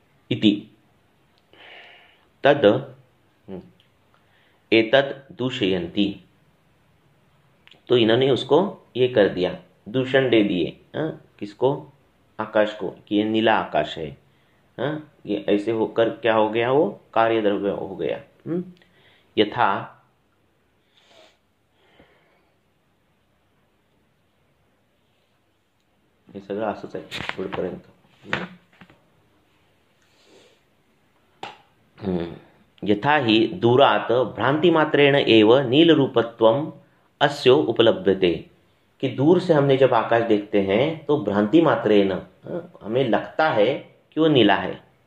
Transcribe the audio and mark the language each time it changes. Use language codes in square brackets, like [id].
[sa] इति तद एतद् दूषयन्ति, [hi] तो इन्होंने उसको ये कर दिया, दूषण दे दिए किसको, आकाश को, कि ये नीला आकाश है, ये ऐसे होकर क्या हो गया, वो कार्य द्रव्य हो गया। [mr] यथा ये सगळं असंच आहे पुढपर्यंत। [sa] यथा ही दूरात भ्रांति मात्रेण एव नील रूपत्वम अस्य उपलब्धते, [hi] कि दूर से हमने जब आकाश देखते हैं तो भ्रांति मात्रेण हमें लगता है कि वो नीला है,